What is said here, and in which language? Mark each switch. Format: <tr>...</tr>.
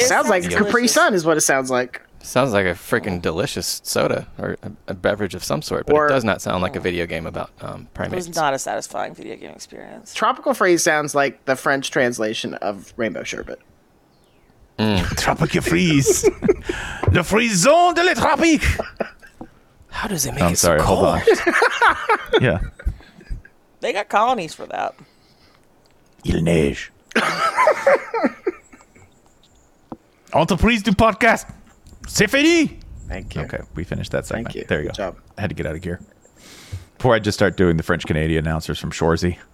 <en>It sounds like Capri Sun is what it sounds like. Sounds like a freaking delicious soda or a beverage of some sort, but it does not sound like a video game about primates. It was not a satisfying video game experience. Tropical Freeze sounds like the French translation of Rainbow Sherbet. Mm. Tropical Freeze.</en> <fr>Le frisson de la tropique.</fr> <en>How does it make so cold? Hold on. Yeah. They got colonies for that.</en> <fr>Il neige. Entreprise du podcast, c'est fini.</fr> <en>Thank you. Okay, we finished that segment. Thank you. There you go. Good job. I had to get out of gear before I just start doing the French Canadian announcers from Shorzy.</en>